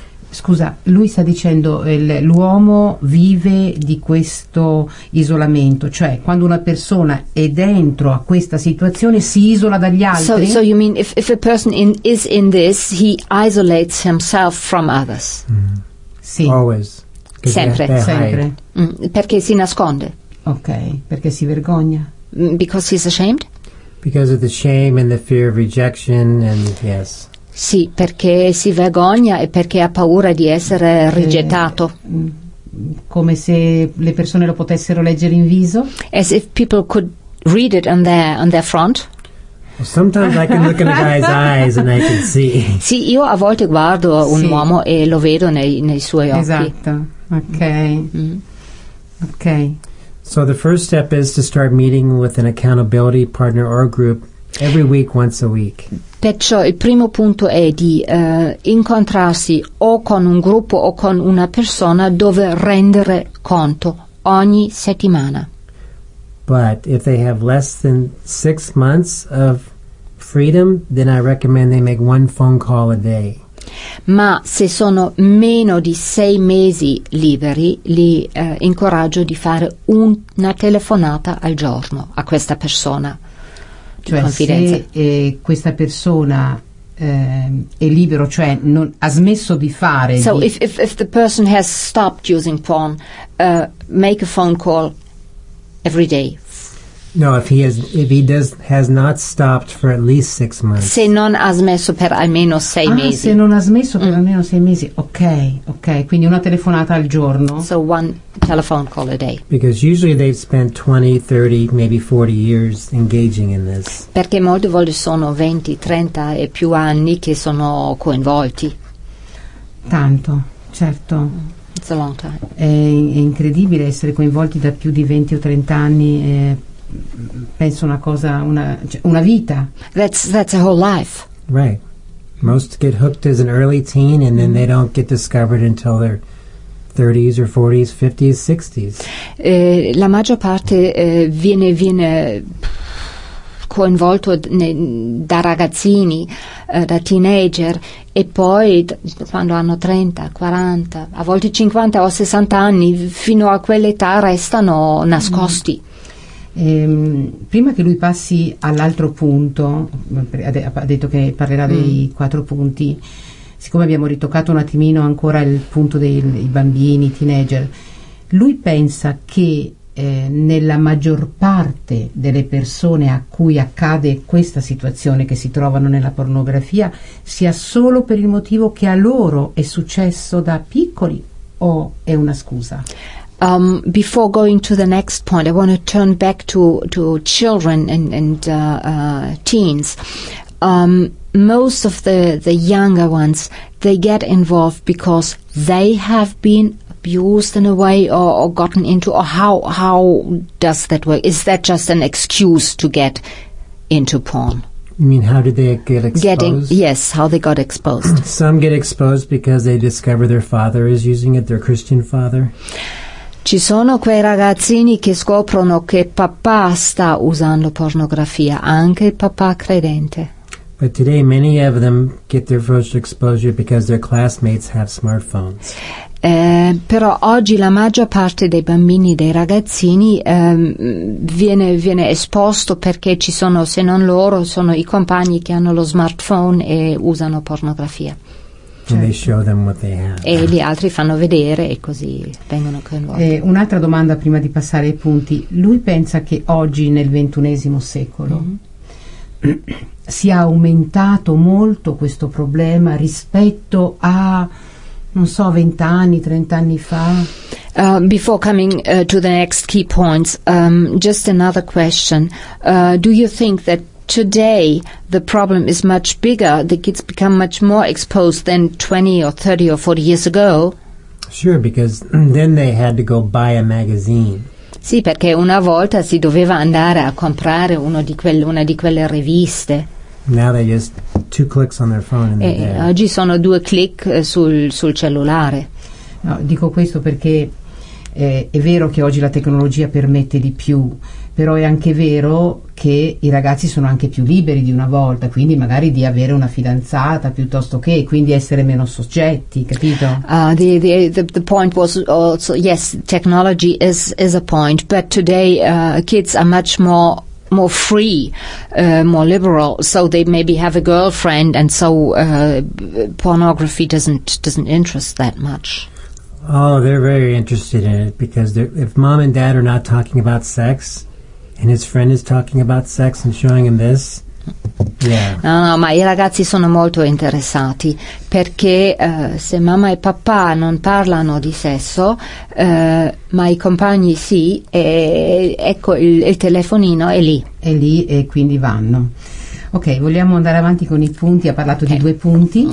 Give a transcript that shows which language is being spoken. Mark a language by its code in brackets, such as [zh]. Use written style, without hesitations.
[it] Scusa, lui sta dicendo l'uomo vive di questo isolamento, cioè quando una persona è dentro a questa situazione si isola dagli altri. [en] So you mean if a person is in this, he isolates himself from others. Mm. Sì. Always. [it] Sempre. Perché si nasconde. Ok, perché si vergogna. [en] Because he's ashamed. Because of the shame and the fear of rejection and yes. [it] Sì, perché si vergogna e perché ha paura di essere rigettato. Come se le persone lo potessero leggere in viso? [en] As if people could read it on their front. Well, sometimes I can look in a guy's eyes and I can see. [it] Sì, io a volte guardo un uomo e lo vedo nei suoi occhi. Esatto. Okay. Mm-hmm. Okay. [en] So the first step is to start meeting with an accountability partner or group every week, once a week. [it] Perciò il primo punto è di incontrarsi o con un gruppo o con una persona dove rendere conto ogni settimana. [en] But if they have less than 6 months of freedom, then I recommend they make one phone call a day. [it] Ma se sono meno di 6 mesi liberi, li incoraggio di fare una telefonata al giorno a questa persona. Cioè se questa persona è libero, cioè non, ha smesso di fare. [en] So if the person has stopped using porn, make a phone call every day. No, if he has not stopped for at least 6 months. [it] Se non ha smesso per almeno sei mesi. Se non ha smesso per almeno 6 mesi. Ok. Quindi una telefonata al giorno. [en] So one telephone call a day. Because usually they've spent 20, 30, maybe 40 years engaging in this. [it] Perché molte volte sono 20, 30 e più anni che sono coinvolti. Tanto, certo. [en] It's a long time. [it] È incredibile essere coinvolti da più di 20 o 30 anni. Penso una cosa, una vita. [en] That's a whole life. Right. Most get hooked as an early teen, and then they don't get discovered until they're 30s or 40s, 50s, 60s. [it] La maggior parte viene coinvolto da ragazzini, da teenager, e poi quando hanno 30, 40, a volte 50 o 60 anni, fino a quell'età restano nascosti. Prima che lui passi all'altro punto, ha detto che parlerà dei quattro punti, siccome abbiamo ritoccato un attimino ancora il punto dei bambini, teenager, lui pensa che nella maggior parte delle persone a cui accade questa situazione, che si trovano nella pornografia, sia solo per il motivo che a loro è successo da piccoli o è una scusa? [en] Before going to the next point, I want to turn back to children and teens. Most of the younger ones, they get involved because they have been abused in a way or gotten into, or how does that work? Is that just an excuse to get into porn? You mean how did they get exposed? How they got exposed. Some get exposed because they discover their father is using it, their Christian father. [it] Ci sono quei ragazzini che scoprono che papà sta usando pornografia, anche il papà credente. [en] But today many of them get their first exposure because their classmates have smartphones. [it] Però oggi la maggior parte dei bambini, dei ragazzini, viene esposto perché ci sono, se non loro, sono i compagni che hanno lo smartphone e usano pornografia. [en] Certo. And they show them what they have. [it] E gli altri fanno vedere e così vengono coinvolti. Un'altra domanda prima di passare ai punti. Lui pensa che oggi nel ventunesimo secolo sia aumentato molto questo problema rispetto a, non so, 20 anni, 30 anni fa? [en] Before coming to the next key points, just another question. Do you think that today the problem is much bigger, the kids become much more exposed than 20 or 30 or 40 years ago? Sure, because then they had to go buy a magazine. [it] Sì, perché una volta si doveva andare a comprare una di quelle riviste. [en] Now they just two clicks on their phone and they're there. [it] Oggi sono due click sul cellulare. No, dico questo perché è vero che oggi la tecnologia permette di più, però è anche vero che i ragazzi sono anche più liberi di una volta, quindi magari di avere una fidanzata piuttosto che, quindi essere meno soggetti, capito? [en] The point was also, yes, technology is a point, but today kids are much more free, more liberal, so they maybe have a girlfriend and so pornography doesn't interest that much. Oh, they're very interested in it because if mom and dad are not talking about sex and his friend is talking about sex and showing him this, yeah. [it] No, ma i ragazzi sono molto interessati perché se mamma e papà non parlano di sesso, ma i compagni sì, e ecco il telefonino è lì. È lì e quindi vanno. Ok, vogliamo andare avanti con i punti, ha parlato di due punti.